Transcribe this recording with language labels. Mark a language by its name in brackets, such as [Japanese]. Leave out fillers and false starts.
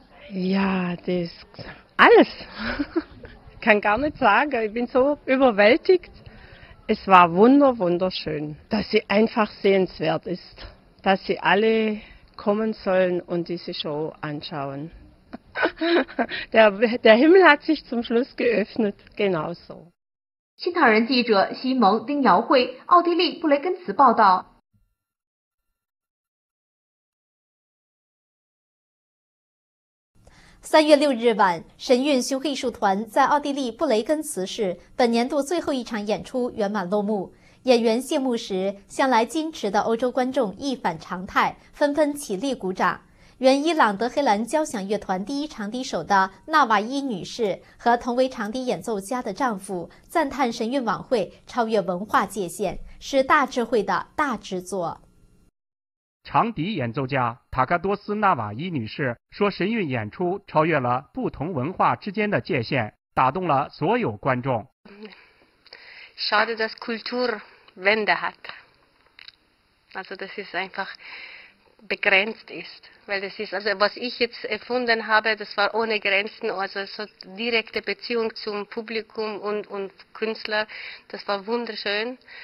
[German] Ja, das alles. Ich kann gar nicht sagen, ich bin so überwältigt. Es war wunderschön, dass sie einfach sehenswert ist. Dass sie alle kommen sollen und diese Show anschauen. Der Himmel hat sich zum Schluss geöffnet, genauso. [Chinese] 新唐人记者西蒙丁瑶慧奥地利布雷根茨报道。 3月6日晚，神韵巡回艺术团在奥地利布雷根茨市本年度最后一场演出圆满落幕。演员谢幕时，向来矜持的欧洲观众一反常态，纷纷起立鼓掌。原伊朗德黑兰交响乐团第一长笛手的纳瓦伊女士和同为长笛演奏家的丈夫赞叹神韵晚会超越文化界限，是大智慧的大制作。长笛演奏家塔卡多斯纳瓦伊女士说，神韵演出超越了不同文化之间的界限，打动了所有观众。 [German] Schade, dass Kultur Wände hat. Also das ist einfach... begrenzt ist, weil das ist, also was ich jetzt erfunden habe, das war ohne Grenzen, also so direkte Beziehung zum Publikum und Künstler, das war wunderschön.